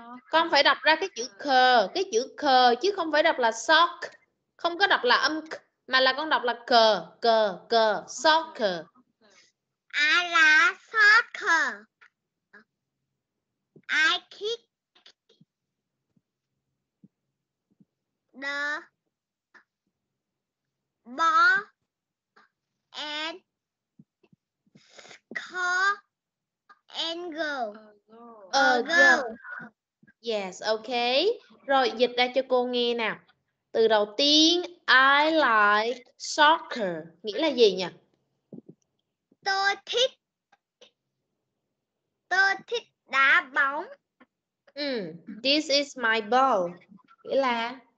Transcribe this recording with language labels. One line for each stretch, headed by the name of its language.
Vietnamese: Không phải đọc ra cái chữ khờ chứ không phải đọc là sock, không có đọc là âm k, mà là con đọc là cờ, soccer.
English: I like soccer. I kick the ball and score and goal. Yes, okay.
Vietnamese: Rồi dịch ra cho cô nghe nào. Từ đầu tiên,
English: I like soccer
Vietnamese: nghĩa là gì nhỉ? Tôi thích đá bóng.
English: This is my ball
Vietnamese: nghĩa là